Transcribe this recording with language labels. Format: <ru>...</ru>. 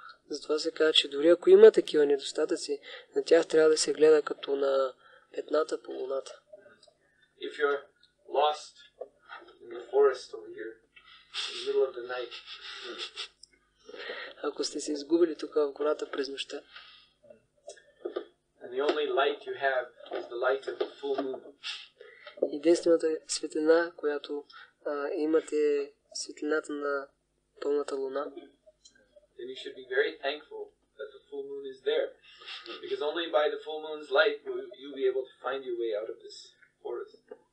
<bg>Затова се казва, че дори ако има такива недостатъци, на тях трябва да се гледа като на петната по луната.</bg> <en>If your lost in the forest over here, in the middle of the night.</en> <bg>Ако сте се изгубили тук в гората през нощта.</bg> <en>And the only light you have is the light of the full moon.</en> <bg>Единствената светлина, която имате, е светлината на пълната луна.</bg> <en>Then you should be very thankful that the full moon is there. Because only by the full moon's light will you be able to find your way out of this forest.</en>